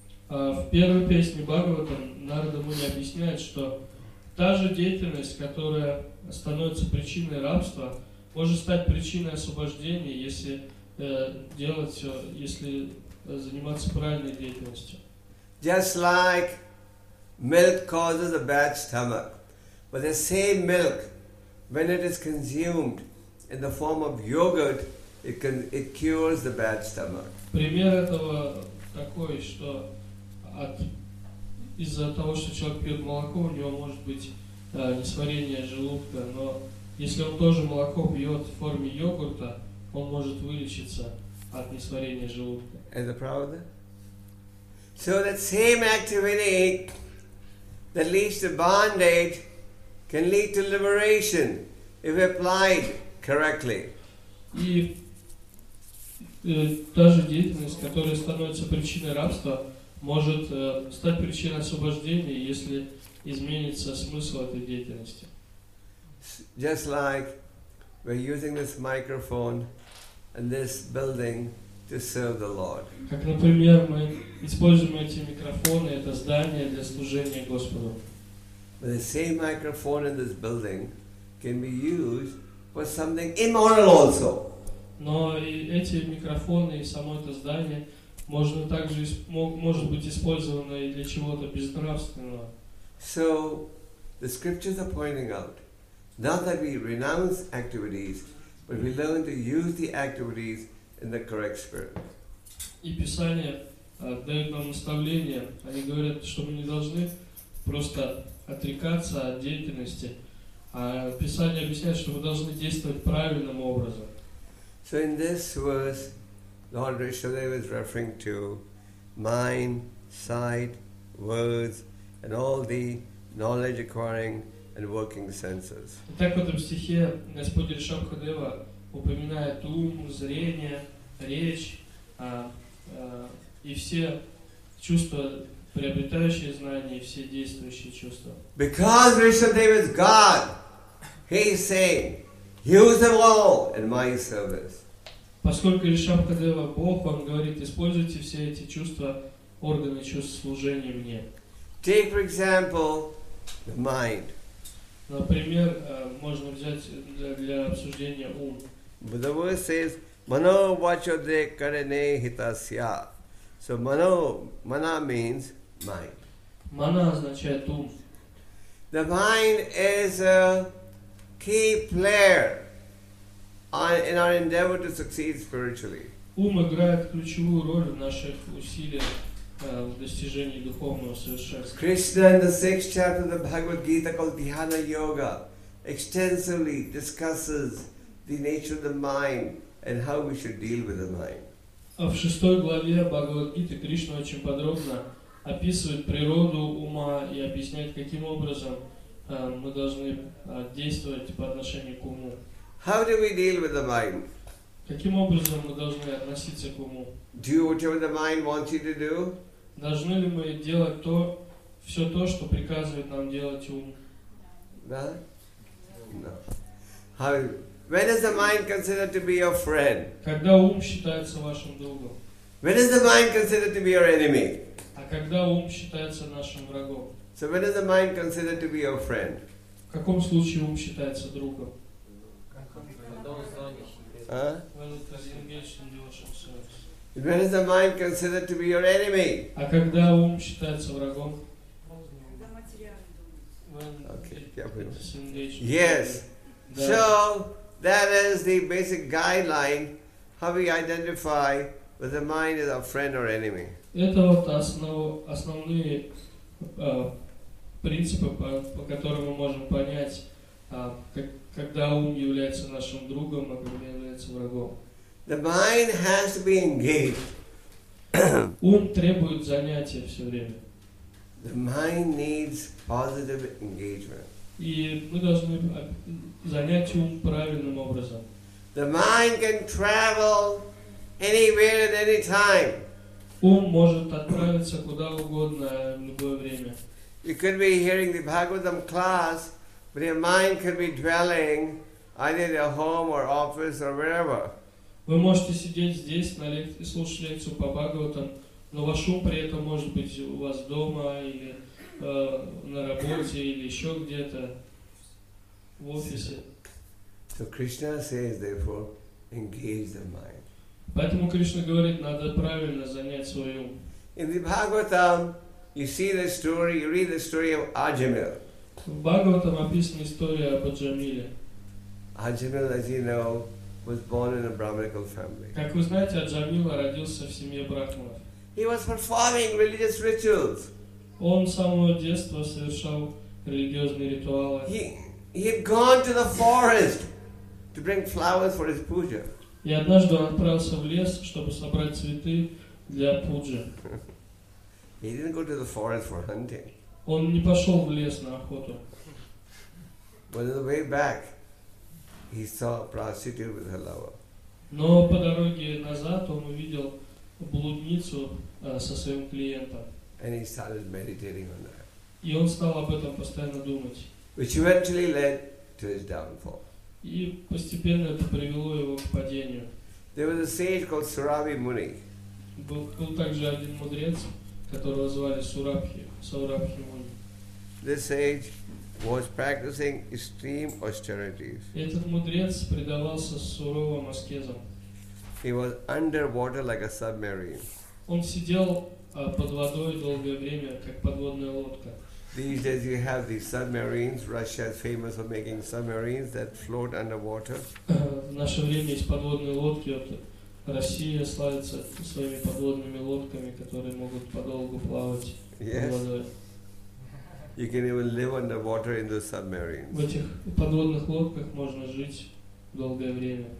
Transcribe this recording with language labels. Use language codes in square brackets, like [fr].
[ru] В первой песне Бхагаватам Нарада Муни объясняет, что та же деятельность, которая становится причиной рабства, может стать причиной освобождения, если делать все, если заниматься правильной деятельностью. [en] Just like milk causes a bad stomach, but the same milk, when it is consumed in the form of yogurt, it cures the bad stomach. [ru] Пример этого такой, что из-за того, что человек пьет молоко, у него может быть несварение желудка, но если он тоже молоко пьет в форме йогурта, он может вылечиться от несварения желудка. Это правда? [en] So that same activity that leads to bondage can lead to liberation if applied correctly. [ru] И та же деятельность, которая становится причиной рабства, может стать причиной освобождения, если изменится смысл этой деятельности. [en] Just like we're using this microphone and this building to serve the Lord. [ru] Как, например, мы используем эти микрофоны, это здание для служения Господу. [en] But the same microphone in this building can be used for something immoral also. [ru] Но и эти микрофоны и само это здание можно также может быть использовано и для чего-то безнравственного. [en] So the scriptures are pointing out not that we renounce activities, but we learn to use the activities in the correct spirit. [ru] И Писание дает нам наставление. Они говорят, что мы не должны просто отрекаться от деятельности. А Писание объясняет, что мы должны действовать правильным образом. [en] So in this verse, Lord Rishadeva is referring to mind, sight, words, and all the knowledge acquiring and working senses. [ru] Итак, в этом стихе Господь Ришабхадева упоминает ум, зрение, речь и все чувства, приобретающие знания, и все действующие чувства. [en] Because Rishabhadeva is God, he is saying, use them all in my service. [ru] Поскольку Ришабхадева Бог, он говорит, используйте все эти чувства, органы чувств служения мне. [en] Take for example the mind. [ru] Например, можно взять для обсуждения ум. [en] But the verse says, [sa] Mano vachodre karane hitasya. [en] So mano, mana means mind. [ru] Mana означает ум. [en] The mind is a key player in our endeavor to succeed spiritually. [ru] Ум играет ключевую роль в наших усилиях в достижении духовного совершенства. [en] Krishna in the 6th chapter of the Bhagavad Gita called Dhyana Yoga extensively discusses the nature of the mind and how we should deal with the mind. [ru] В 6 главе Бхагавад Гиты Кришна очень подробно описывает природу ума и объясняет, каким образом мы должны действовать по отношению к уму. [en] How do we deal with the mind? [ru] Каким образом мы должны относиться к уму? [en] Do whatever the mind wants you to do? [ru] Должны ли мы делать то, все то, что приказывает нам делать ум? Да? [en] No. How? When is the mind considered to be your friend? [ru] Когда ум считается вашим другом? [en] When is the mind considered to be your enemy? [ru] А когда ум считается нашим врагом? [en] So when is the mind considered to be your friend? [ru] В каком случае ум считается другом? Huh? [en] When is the mind considered to be your enemy? [ru] А когда ум считается врагом? [en] Okay. Yes. So that is the basic guideline how we identify whether the mind is our friend or enemy. [ru] Это вот основные принципы, по которым мы можем понять, когда ум является нашим другом, а когда является врагом. [en] The mind has to be engaged. [ru] Ум требует занятия все время. [en] The mind needs positive engagement. [ru] И мы должны занять ум правильным образом. [en] The mind can travel anywhere at any time. [ru] Ум может отправиться куда угодно в любое время. [en] You could be hearing the Bhagavatam class, but your mind could be dwelling either in your home or office or wherever. [ru] Вы можете сидеть здесь на лекции, слушать лекцию по Бхагаватам, но ваш ум при этом может быть у вас дома или на работе или еще где-то в офисе. [en] So Krishna says, therefore, engage the mind. [ru] Поэтому Кришна говорит, надо правильно занять свой ум. [en] In the Bhagavatam, you see the story. You read the story of Ajamil. [ru] В Бхагаватам описана история об Аджамиле. [en] Ajamil, as you know, was born in a Brahminical family. [ru] Как вы знаете, Аджамила родился в семье брахманов. [en] He was performing religious rituals. [ru] Он с самого детства совершал религиозные ритуалы. [en] He had gone to the forest to bring flowers for his puja. [ru] И однажды он отправился в лес, чтобы собрать цветы для пуджи. [en] He didn't go to the forest for hunting. [ru] Он не пошел в лес на охоту. [en] But on the way back, he saw a prostitute with her lover. [ru] Но по дороге назад он увидел блудницу со своим клиентом. [en] And he started meditating on that. [ru] И он стал об этом постоянно думать. [en] Which eventually led to his downfall. [ru] И постепенно это привело его к падению. [en] There was a sage called Surabhi Muni. [ru] Был также один мудрец, которого звали Сурабхи, Саурабхи Муни. [en] This sage was practicing extreme austerities. [ru] Этот мудрец предавался суровым аскезам. [en] He was underwater like a submarine. [ru] Он сидел под водой долгое время, как подводная лодка. [en] These days you have these submarines. Russia is famous for making submarines that float underwater. [ru] В наше время есть подводные лодки. Россия славится своими подводными лодками, которые могут подолгу плавать под водой. [en] You can even live underwater in those submarines. [ru] В этих подводных лодках можно жить долгое время.